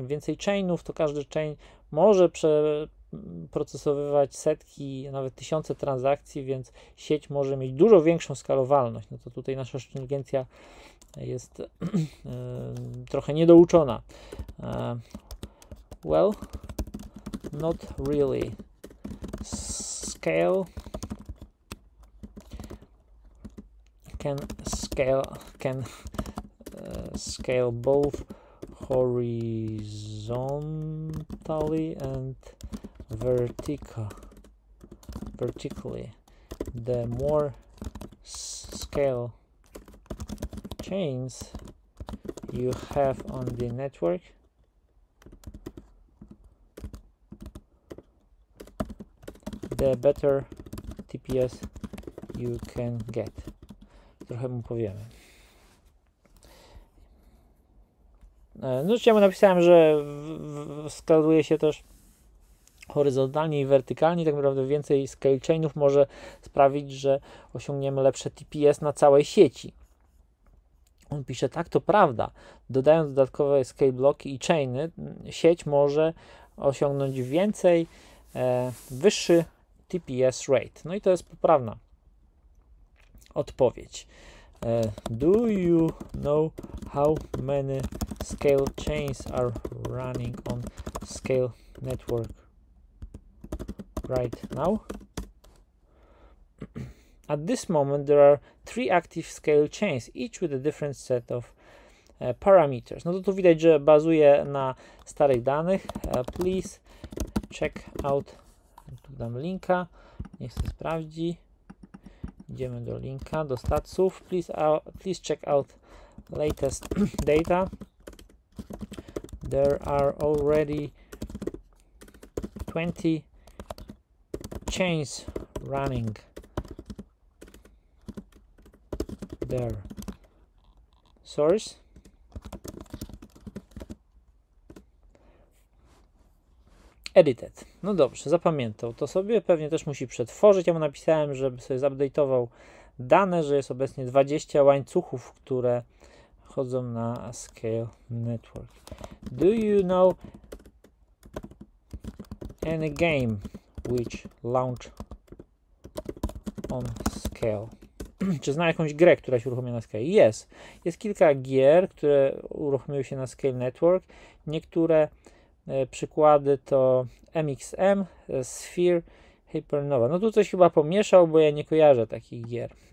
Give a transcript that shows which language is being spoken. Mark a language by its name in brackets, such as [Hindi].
[Polish] Im więcej chainów, to każdy chain może procesowywać setki, nawet tysiące transakcji, więc sieć może mieć dużo większą skalowalność. No to tutaj nasza inteligencja jest trochę niedouczona. [English] Well, not really. Scale can scale, scale both horizontally and vertically, the more scale chains you have on the network, the better TPS you can get. [Polish] Trochę mu powiemy. No, czemu napisałem, że skaluje się też horyzontalnie i wertykalnie, tak naprawdę więcej scale chainów może sprawić, że osiągniemy lepsze TPS na całej sieci. On pisze, tak, to prawda, dodając dodatkowe scale bloki i chainy, sieć może osiągnąć więcej, wyższy TPS rate. No i to jest poprawna odpowiedź. [English] Do you know how many scale chains are running on scale network right now? At this moment there are three active scale chains, each with a different set of parameters. [Polish] No to tu widać, że bazuje na starych danych. [English] Please check out, [Polish] tu dam linka, niech się sprawdzi. Idziemy do linka, do statsów. [English] Please check out latest data. There are already 20 chains running there. Source. Edited. [Polish] No dobrze, zapamiętał to sobie, pewnie też musi przetworzyć. Ja mu napisałem, żeby sobie zupdate'ował dane, że jest obecnie 20 łańcuchów, które chodzą na Scale Network. [English] Do you know any game which launch on Scale? [Polish] Czy zna jakąś grę, która się uruchomiła na Scale? [English] Yes. [Polish] Jest kilka gier, które uruchomiły się na Scale Network. Niektóre przykłady to MXM, Sphere, Hypernova. No tu coś chyba pomieszał, bo ja nie kojarzę takich gier.